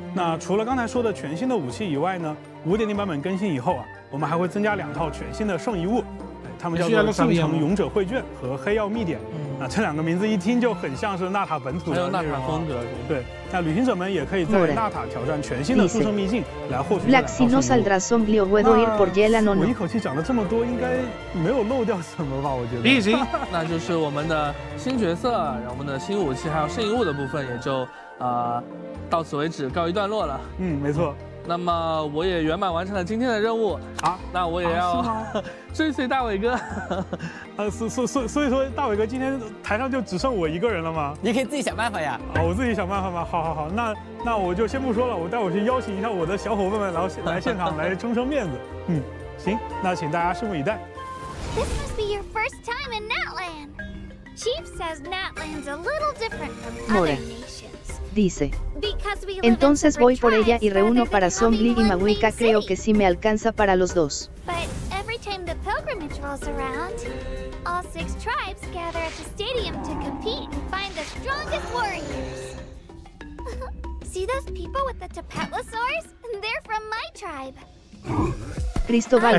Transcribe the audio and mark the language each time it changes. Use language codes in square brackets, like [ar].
[zh] 那除了刚才说的全新的武器以外呢，5.0 版本更新以后啊，我们还会增加两套全新的圣遗物，它们叫做进城勇者绘卷和黑曜秘典。那这两个名字一听就很像是纳塔本土的内容风格。对，那旅行者们也可以在纳塔挑战全新的出生秘境来获取两套圣遗物。 [es] Black, si no saldrá sombrío, puedo ir por hielo, no, no. [zh] 我一口气讲了这么多，应该没有漏掉什么吧？我觉得。已经，那就是我们的新角色，然后我们的新武器，还有圣遗物的部分，也就到此为止，告一段落了。嗯，没错。那么我也圆满完成了今天的任务啊，那我也要、追随大伟哥。所以说大伟哥今天台上就只剩我一个人了吗？你可以自己想办法呀。啊，我自己想办法吗？好，那我就先不说了，我待会去邀请一下我的小伙伴们，然后来现场来撑撑面子。嗯，行，那请大家拭目以待。 [en] This must be your first time in Natland. Chief says Natland's a little different from other nations. [es] Dice. Entonces voy por ella y reúno para Zombly y Mawika, creo que sí me alcanza para los dos. [en] But every time the pilgrimage rolls around, all six tribes gather at the stadium to compete and find the strongest warriors. See those people with the Tepetlosaurs? They're from my tribe. Cristóbal